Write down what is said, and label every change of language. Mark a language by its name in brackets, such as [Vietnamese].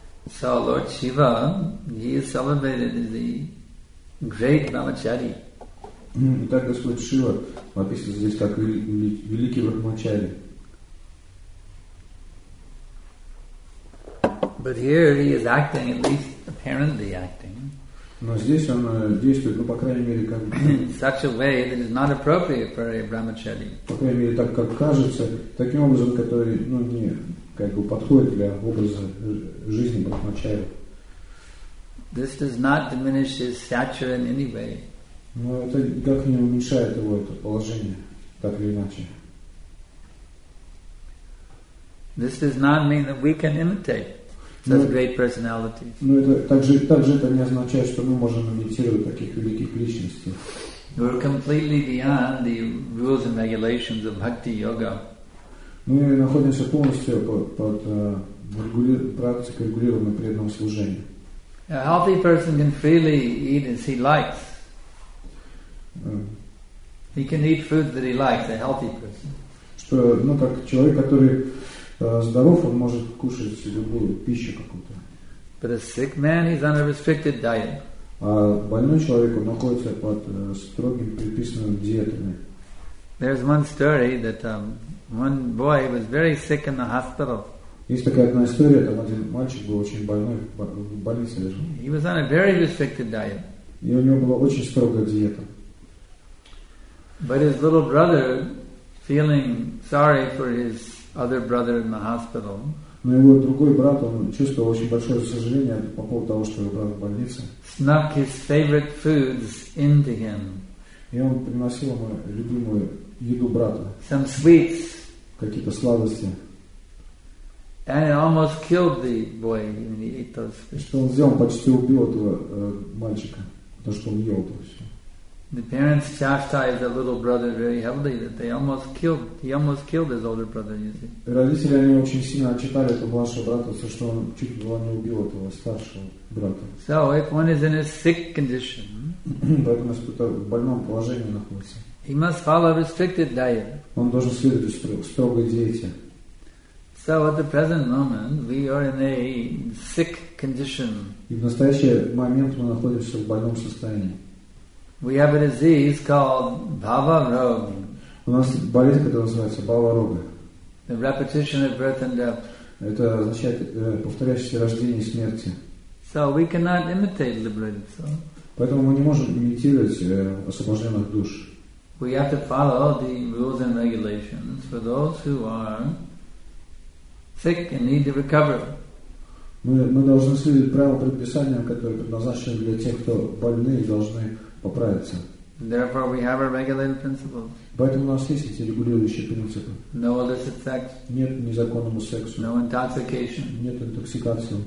[English] So Lord Shiva, he is celebrated as the great Brahmachari. [Russian] Итак, Господь Шива описан здесь как великий Брахмачари. [English] But here he is acting, at least apparently acting. [Russian] Но здесь он действует, ну по крайней мере как. [English] In such a way that is not appropriate for a Brahmachari. [Russian] По крайней мере так как кажется, таким образом, который, ну не как бы подходит для образа жизни Брахмачари. [English] This does not diminish his stature in any way. [Russian] Но это как не уменьшает его это положение, так или иначе. [English] This does not mean that we can imitate such great personalities. [Russian] Но это также это не означает, что мы можем имитировать таких великих личностей. [English] We're completely beyond the rules and regulations of bhakti yoga. [Russian] Мы находимся полностью под практикой регулированного преданного служения. [English] A healthy person can freely eat as he likes. He can eat food that he likes, a healthy person. [Russian] Что, ну как человек, который здоров, он может кушать любую пищу какую-то. [English] But a sick man, he's on a restricted diet. [Russian] А больной человек, он находится под строгим предписанным диетами. [English] There's one story that one boy was very sick in the hospital. [Russian] Есть такая одна история, там один мальчик был очень больной, в больнице лежал. [English] He was on a very restricted diet. [Russian] И у него была очень строгая диета. [English] But his little brother, feeling sorry for his other brother in the hospital, [Russian] но его другой брат, он чувствовал очень большое сожаление по поводу того, что его брат в больнице. [English] Snuck his favorite foods into him. [Russian] И он приносил ему любимую еду брата. [English] Some sweets. [Russian] Какие-то сладости. [English] And it almost killed the boy when he ate those sweets. [Russian] Что он сделал, почти убил этого мальчика, потому что он ел это все. [English] The parents chastised their little brother very heavily that they almost killed. He almost killed his older brother. You see. [Russian] Родители они очень сильно отчитали этого младшего брата, за что он чуть было не убил этого старшего брата. [English] So if one is in a sick condition, [Russian] поэтому если кто-то в больном положении находится, [English] he must follow a restricted diet. [Russian] Он должен следовать строгой диете. [English] So at the present moment, we are in a sick condition. [Russian] И в настоящий момент мы находимся в больном состоянии. [English] We have a disease called bhava-roga. [Russian] У нас болезнь, которая называется бхава-рога. [English] The repetition of birth and death. [Russian] Это означает повторяющееся рождение и смерти. [English] So we cannot imitate liberated soul. [Russian] Поэтому мы не можем имитировать освобожденных душ. [English] We have to follow the rules and regulations for those who are sick and need to recover. [Russian] Мы должны следовать правилам предписания, которые предназначены для тех, кто больны и должны поправиться. [English] Therefore, we have our regulated principles. [Russian] Поэтому у нас есть эти регулирующие принципы. [English] No illicit sex. [Russian] Нет незаконному сексу. [English] No intoxication. [Russian] Нет интоксикации.